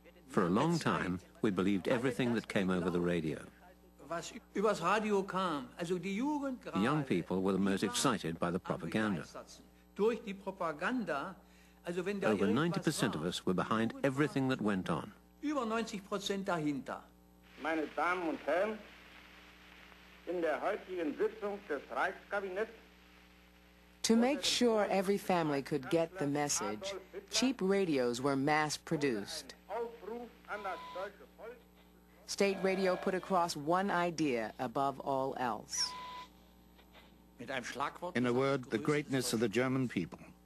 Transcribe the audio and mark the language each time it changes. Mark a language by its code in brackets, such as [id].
[en] For a long time, we believed everything that came over the radio. The young people were the most excited by the propaganda. Over 90% of us were behind everything that went on. [de] Über 90% dahinter. Meine Damen und Herren, in der heutigen Sitzung des Reichskabinetts. [en] To make sure every family could get the message, cheap radios were mass-produced. State radio put across one idea above all else. In a word, the greatness of the German people.